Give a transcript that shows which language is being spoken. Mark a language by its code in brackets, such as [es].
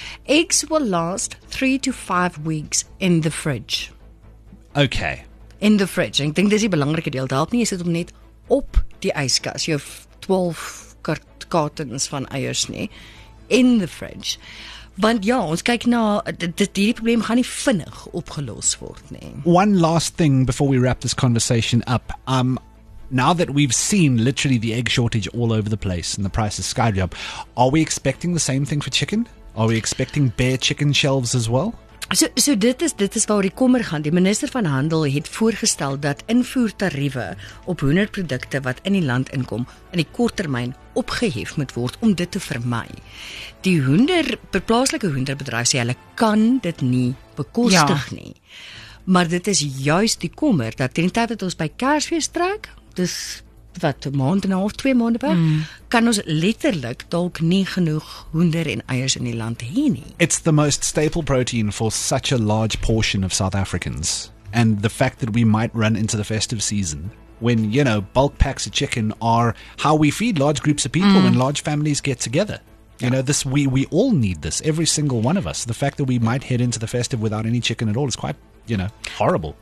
[en] Eggs will last 3 to 5 weeks in the fridge. Okay. In the fridge. [af] Ek dink dis die belangrike deel. Help nie, jy sit hom net op die yskas. Jou 12 kartons van eiers nie, [en] in the fridge. [af] Want ja, ons kyk na, die probleem gaan nie vinnig opgelos word nie. [en] One last thing before we wrap this conversation up. Now that we've seen literally the egg shortage all over the place and the price is skyrocketing, are we expecting the same thing for chicken? Are we expecting bare chicken shelves as well? [af] So dit is waar die kommer gaan. Die minister van Handel het voorgestel dat invoertariewe op hoenderprodukte wat in die land inkom in die kort termyn opgehef moet word om dit te vermy. Die plaaslike hoenderbedryf sê hulle kan dit nie bekostig nie. Maar dit is juist die kommer dat teen die tyd dat ons by Kersfees trek, dis wat 1 maand en 'n half, 2 maande weg, kan ons letterlik dalk nie genoeg hoender en eiers in die land hê nie. [en] It's the most staple protein for such a large portion of South Africans. And the fact that we might run into the festive season when, you know, bulk packs of chicken are how we feed large groups of people when large families get together. You know, this we all need this, every single one of us. The fact that we might head into the festive without any chicken at all is quite, you know, horrible.